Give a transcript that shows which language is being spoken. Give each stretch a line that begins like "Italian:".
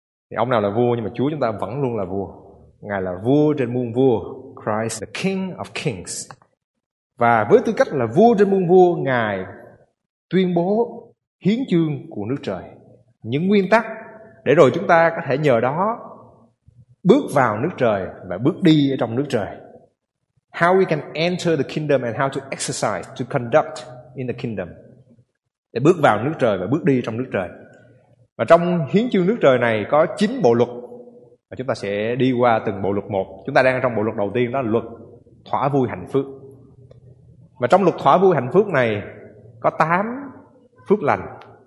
Vietnamese: Thì ông nào là vua, nhưng mà Chúa chúng ta vẫn luôn là vua. Ngài là vua trên muôn vua,
English: Christ the King of Kings.
Vietnamese: Và với tư cách là vua trên muôn vua, Ngài tuyên bố hiến chương của nước trời, những nguyên tắc để rồi chúng ta có thể nhờ đó bước vào nước trời và bước đi ở trong nước trời.
English: How we can enter the kingdom and how to exercise to conduct in the kingdom.
Vietnamese: Để bước vào nước trời và bước đi trong nước trời. Và trong hiến chương nước trời này có 9 bộ luật. Và chúng ta sẽ đi qua từng bộ luật một. Chúng ta đang trong bộ luật đầu tiên, đó là luật thỏa vui hạnh phúc. Và trong luật thỏa vui hạnh phúc này có 8 phước lành.